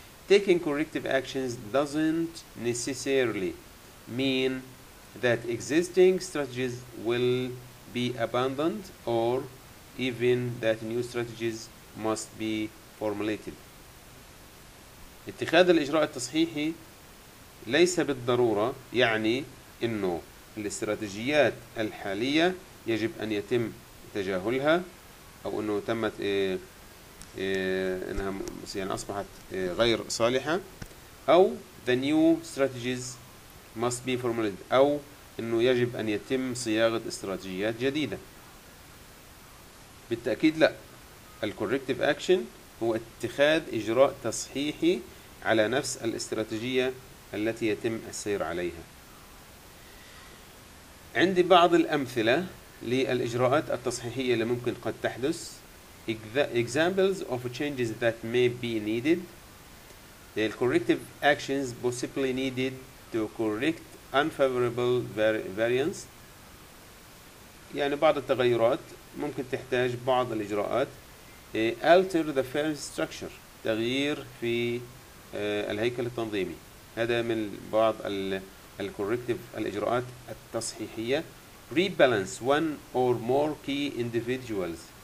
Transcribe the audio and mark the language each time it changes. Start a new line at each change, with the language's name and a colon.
English: Taking corrective actions doesn't necessarily mean that existing strategies will be abandoned or even that new strategies must be formulated.
Arabic: اتخاذ الإجراء التصحيحي ليس بالضرورة يعني إنه الاستراتيجيات الحالية يجب أن يتم تجاهلها، أو إنه تمت إنها يعني أصبحت غير صالحة، أو
English: the new strategies must be formulated،
Arabic: أو إنه يجب أن يتم صياغة استراتيجيات جديدة. بالتأكيد لا، الـ corrective action هو اتخاذ إجراء تصحيحي على نفس الاستراتيجية التي يتم السير عليها. عندي بعض الأمثلة للإجراءات التصحيحية اللي ممكن قد تحدث.
English: Examples of changes that may be needed. The corrective actions possibly needed to correct unfavorable variance.
Arabic: يعني بعض التغيرات ممكن تحتاج بعض الإجراءات.
English: Alter the firm's structure.
Arabic: تغيير في الهيكل التنظيمي، هذا من بعض ال corrective الإجراءات التصحيحية.
English: Rebalance one or more key individuals.